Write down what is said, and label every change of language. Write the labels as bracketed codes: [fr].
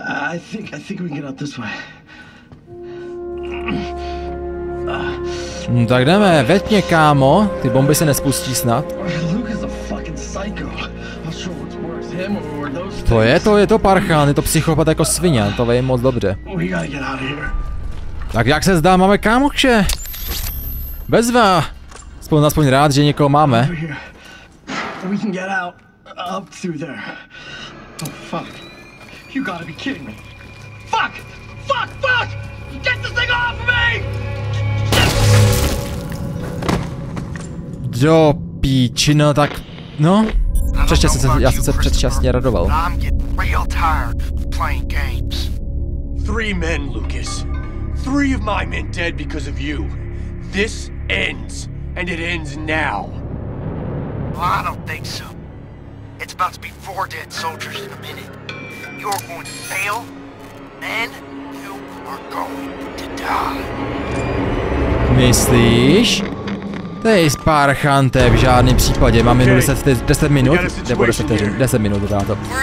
[en] I think we can get out this way. [cs] Tak jdeme, veď mě, kámo. Ty bomby se nespustí snad. [en] Luke is a fucking psycho. I'm sure what's worse, him or those. [cs] To je to parchán, je to psychopat jako svině, to vím moc dobře. [en] We gotta get out of here. [cs] Tak jak se zdá, máme kámoše. Bezva. Spolu aspoň rád, že někoho máme. [en] We can get out up through there. Oh fuck. You gotta be kidding me. Fuck! Fuck! Fuck! Get this thing off of me! [cs] Do píči, no tak... No? Předčasně, já jsem se předčasně radoval. [en] I'm getting real tired playing games. Three men, Lucas. Three of my men dead because of you. This ends, and it ends now. Well, I don't think so. It's about to be four dead soldiers in a minute. You're going to fail, and you are going to die. [cs] Myslíš? To je spárchan, to je v žádném případě. Máme jenom 10 minut, nebo 10 minut dá to.